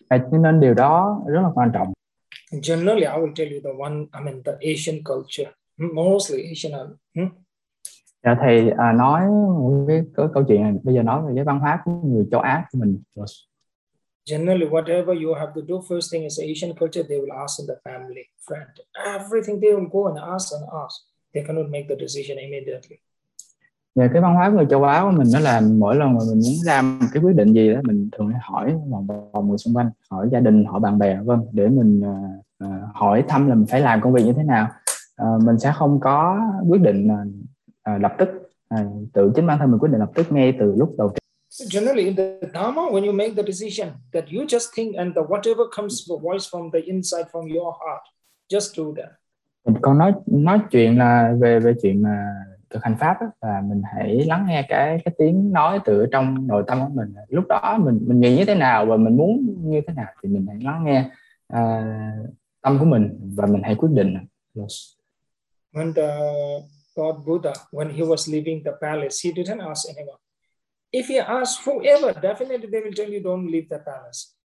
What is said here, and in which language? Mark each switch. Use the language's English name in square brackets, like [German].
[Vietnamese] Nên điều đó rất là quan trọng. [English] Generally, I will tell you the one. I mean, the Asian culture, mostly Asian. [Vietnamese] Dạ, thầy nói cái câu chuyện này. Bây giờ nói về cái văn hóa của người châu Á của mình. [English] Generally, whatever you have to do, first thing is Asian culture. They will ask in the family, friend, everything. They will go and ask. They cannot make the decision immediately. [Vietnamese] Dạ, cái văn hóa của người châu Á của mình nó là mỗi lần mà mình muốn làm cái quyết định gì đó mình thường hay hỏi vòng vòng người xung quanh, hỏi gia đình, hỏi bạn bè, vâng, để mình hỏi thăm là mình phải làm công việc như thế nào. Mình sẽ không có quyết định lập tức, tự chính bản thân mình quyết định lập tức ngay từ lúc đầu tiên. [English] So generally in the Dharma, when you make the decision that you just think and the whatever comes the voice from the inside from your heart, just do that. [Vietnamese] Còn nói chuyện là về chuyện mà thực hành pháp á, là mình hãy lắng nghe cái tiếng nói từ trong nội tâm của mình, lúc đó mình nghĩ như thế nào và mình muốn như thế nào thì mình hãy lắng nghe tâm của mình và mình hãy quyết định. [English] Yes. When the God Buddha, when he was leaving the palace, he didn't ask anyone. If he asked whoever, definitely they will tell you don't leave the palace.